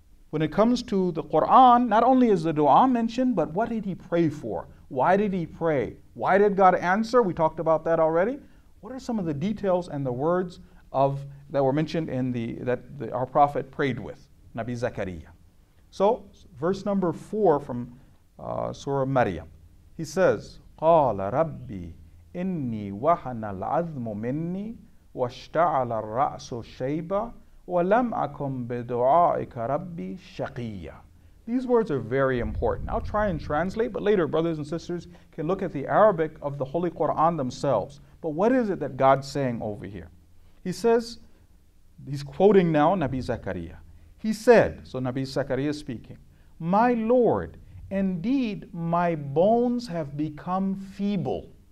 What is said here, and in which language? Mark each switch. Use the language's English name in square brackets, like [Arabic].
[English] When it comes to the Quran, not only is the dua mentioned, but what did he pray for? Why did he pray? Why did God answer? We talked about that already. What are some of the details and the words of that were mentioned in the that the, our prophet prayed with, Nabi Zakaria? So verse number 4 from Surah Maryam. He says, [Arabic] قَالَ رَبِّ إِنِّي وَهَنَ الْعَظْمُ مِنِّي وَاشْتَعَلَ الرَّأْسُ شَيْبًا وَلَمْ أَكُمْ بِدُعَائِكَ رَبِّي شَقِيًّا. [English] These words are very important. I'll try and translate, but later brothers and sisters can look at the Arabic of the Holy Quran themselves. But what is it that God's saying over here? He says, he's quoting now Nabi Zakaria. He said, so Nabi Zakaria is speaking, my Lord, indeed, my bones have become feeble.